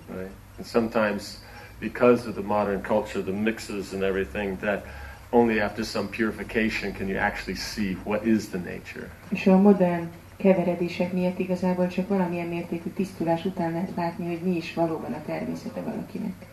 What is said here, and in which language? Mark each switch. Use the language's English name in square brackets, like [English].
[English] Right. And sometimes, because of the modern culture, the mixes and everything, that only after some purification can you actually see what is the nature. [Hungarian] És a modern keveredések miatt igazából csak valamilyen mértékű tisztulás után lehet látni, hogy mi is valóban a természete valakinek.